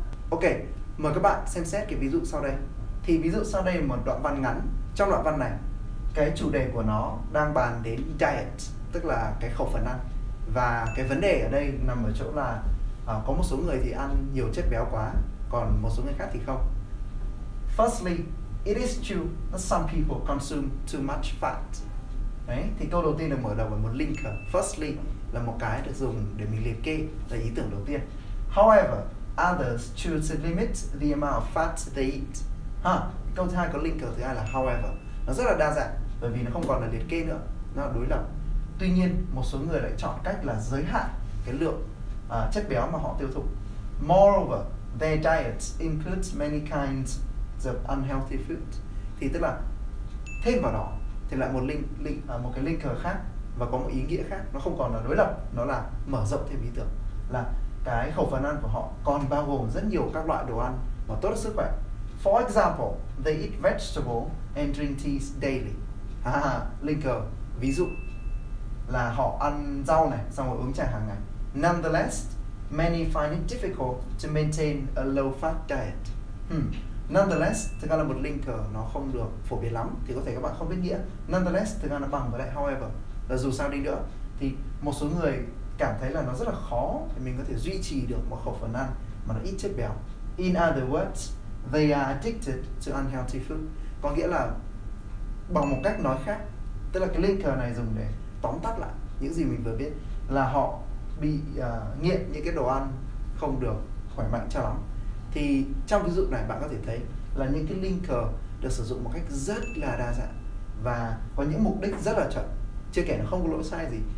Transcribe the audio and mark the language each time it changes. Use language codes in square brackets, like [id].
[vi] Ok, mời các bạn xem xét cái ví dụ sau đây. Thì ví dụ sau đây là một đoạn văn ngắn. Trong đoạn văn này, cái chủ đề của nó đang bàn đến diet, tức là cái khẩu phần ăn. Và cái vấn đề ở đây nằm ở chỗ là có một số người thì ăn nhiều chất béo quá, còn một số người khác thì không. [en] Firstly, it is true that some people consume too much fat. [vi] Đấy, thì câu đầu tiên được mở đầu bằng một linker. Firstly là một cái được dùng để mình liệt kê, là ý tưởng đầu tiên. [en] However, others choose to limit the amount of fat they eat. [vi] Câu thứ hai có linker, thứ hai là however. Nó rất là đa dạng, bởi vì nó không còn là liệt kê nữa, nó là đối lập. Tuy nhiên, một số người lại chọn cách là giới hạn cái lượng chất béo mà họ tiêu thụ. [en] Moreover, their diets include many kinds of unhealthy food. [vi] Thì tức là thêm vào đó thì lại một linker khác và có một ý nghĩa khác, nó không còn là đối lập, nó là mở rộng thêm ý tưởng là cái khẩu phần ăn của họ còn bao gồm rất nhiều các loại đồ ăn mà tốt cho sức khỏe. [en] For example, they eat vegetables and drink teas daily. [vi] Linker ví dụ là họ ăn rau này xong rồi uống trà hàng ngày. [en] Nonetheless, many find it difficult to maintain a low fat diet. [vi] Nonetheless, thực ra là một linker, nó không được phổ biến lắm, thì có thể các bạn không biết nghĩa. Nonetheless, thực ra nó bằng với lại however, là dù sao đi nữa, thì một số người cảm thấy là nó rất là khó để mình có thể duy trì được một khẩu phần ăn mà nó ít chất béo. [en] In other words, they are addicted to unhealthy food. [vi] Có nghĩa là bằng một cách nói khác, tức là cái linker này dùng để tóm tắt lại những gì mình vừa biết, là họ bị nghiện những cái đồ ăn không được khỏe mạnh cho lắm. Thì trong ví dụ này bạn có thể thấy là những cái linker được sử dụng một cách rất là đa dạng và có những mục đích rất là chuẩn, chưa kể nó không có lỗi sai gì.